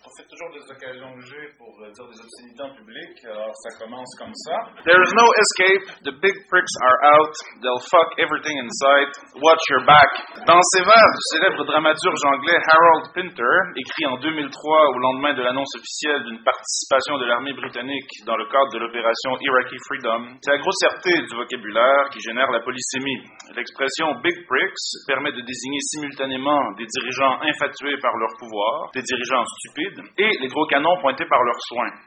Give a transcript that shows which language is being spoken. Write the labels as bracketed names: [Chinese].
[French] On fait toujours des occasions que j'ai pour dire des obscénités en public, alors ça commence comme ça. [English] There is no escape, the big pricks are out, they'll fuck everything in sight, watch your back. [French] Dans ces vers du célèbre dramaturge anglais Harold Pinter, écrit en 2003 au lendemain de l'annonce officielle d'une participation de l'armée britannique dans le cadre de l'opération Iraqi Freedom, c'est la grossièreté du vocabulaire qui génère la polysémie. L'expression « [English] big pricks [French] » permet de désigner simultanément des dirigeants infatués par leur pouvoir, des dirigeants stupides, et les gros canons pointés par leurs soins.